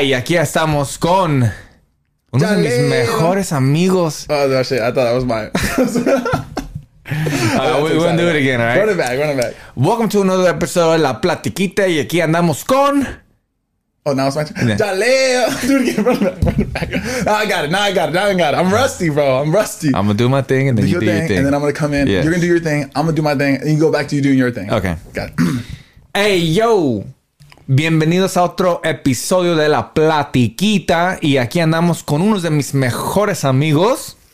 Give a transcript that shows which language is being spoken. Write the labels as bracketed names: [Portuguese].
[Spanish] Y aquí estamos con uno de mis mejores amigos. [English] Oh, shit. I thought that was mine. We're going to do it again, all right? Run it back. Welcome to another episode of La Platiquita. [Spanish] Y aquí andamos con... [English] Oh, now it's my turn. Yeah. Jaleo. Do it again. Run it back. Now I got it. I'm rusty, bro. I'm going to do my thing and then you do your thing. And then I'm going to come in. Yes. You're going to do your thing. I'm going to do my thing. And you go back to you doing your thing. Okay. Got it. Hey, yo. [Spanish] Bienvenidos a otro episodio de La Platiquita. Y aquí andamos con uno de mis mejores amigos.